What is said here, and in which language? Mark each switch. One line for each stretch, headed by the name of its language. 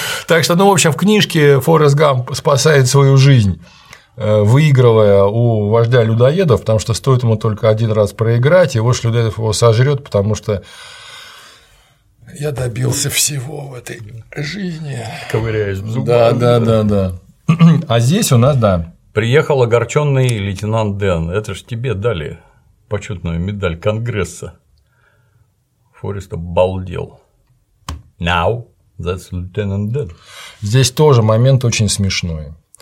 Russian: Так что, ну, в общем, в книжке Форрест Гамп спасает свою жизнь, выигрывая у вождя людоедов, потому что стоит ему только один раз проиграть, и вождь людоедов его сожрет, потому что я добился всего в этой жизни. Ковыряюсь в зубах. Да. А здесь у нас, да. Приехал огорченный лейтенант Дэн. Это ж тебе дали почетную медаль Конгресса. Форрест обалдел.
English: Now that's Lieutenant Dan.
Russian: Здесь тоже момент очень смешной.